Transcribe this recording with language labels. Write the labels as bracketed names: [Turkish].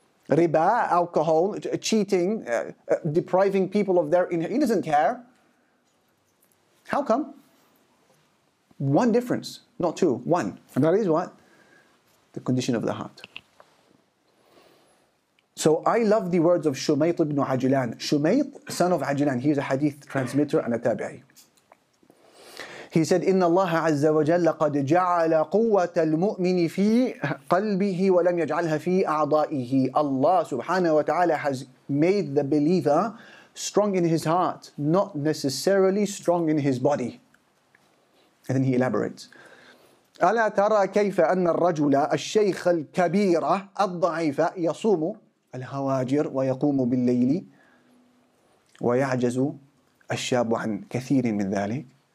[English] Riba, alcohol, cheating, depriving people of their inheritance. He doesn't care. How come? One difference, not two, one. And that is what? The condition of the heart. So I love the words of Shumayt ibn Ajlan. Shumayt, son of Ajlan, he is a hadith transmitter and a tabi'i. He said, [Arabic] إِنَّ اللَّهَ عَزَّ وَجَلَّ قَدْ جَعَلَ قُوَّةَ الْمُؤْمِنِ فِي قَلْبِهِ وَلَمْ يَجْعَلْهَ فِي أَعْضَائِهِ. [English] Allah subhanahu wa ta'ala has made the believer strong in his heart, not necessarily strong in his body. And then he elaborates. [Arabic] أَلَا تَرَى كَيْفَ أَنَّ الرَّجُلَ الشَّيْخَ الْكَبِيرَ الضَّعِيفَ يَصُومُ الْهَوَاجِرَ وَيَقُومُ بِاللَّيْلِ وَيَعْجَزُ الشَّابُ عَنْ كَثِيرٍ مِنْ ذَلِكَ.